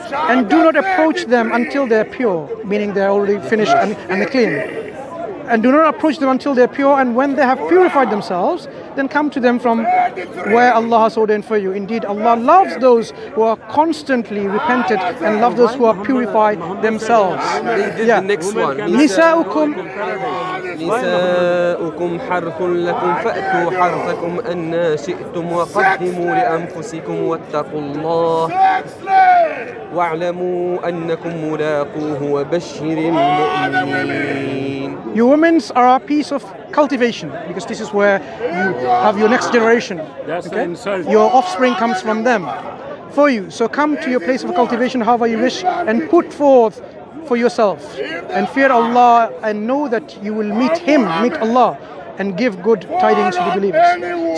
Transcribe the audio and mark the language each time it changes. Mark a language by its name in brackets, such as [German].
[English] And do not approach them until they are pure, meaning they are already finished and they're clean. And do not approach them until they are pure, and when they have purified themselves, then come to them from where Allah has ordained for you. Indeed, Allah loves those who are constantly repentant and loves those who are purified themselves. Yeah. The next one. [Arabic] Nisa'ukum. نساؤكم حرث لكم فأتوا حرثكم أنا شئتم وقدموا لأنفسكم واتقوا الله واعلموا أنكم ملاقوه وبشر المؤمنين. [English] Your women are a piece of cultivation, because this is where you have your next generation. Okay? Your offspring comes from them for you. So come to your place of cultivation however you wish and put forth for yourself, and fear Allah, and know that you will meet Him, meet Allah, and give good tidings to the believers.